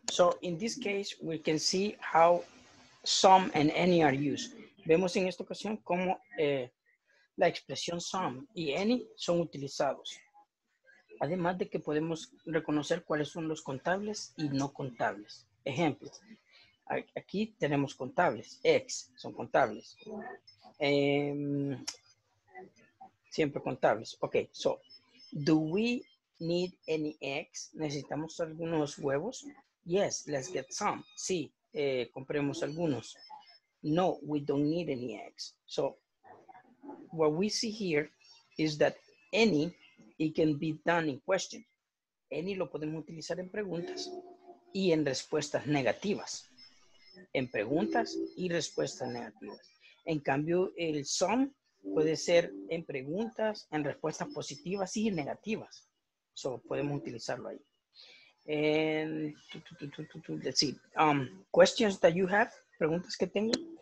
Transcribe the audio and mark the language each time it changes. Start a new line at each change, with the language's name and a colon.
English: So in this case, we can see how some and any are used.
Spanish: Vemos en esta ocasión cómo la expresión some y any son utilizados. Además de que podemos reconocer cuáles son los contables y no contables. Ejemplo, aquí tenemos contables. Eggs son contables. siempre contables.
English: Okay, so do we need any eggs?
Spanish: ¿Necesitamos algunos huevos?
English: Yes, let's get some.
Spanish: Sí, compremos algunos.
English: No, we don't need any eggs. So what we see here is that any, it can be done in question.
Spanish: Any lo podemos utilizar en preguntas y en respuestas negativas. En preguntas y respuestas negativas. En cambio, el some puede ser en preguntas, en respuestas positivas y negativas.
English: So,
Spanish: podemos utilizarlo ahí.
English: And, let's see. Questions that you have?
Spanish: ¿Preguntas que tengo?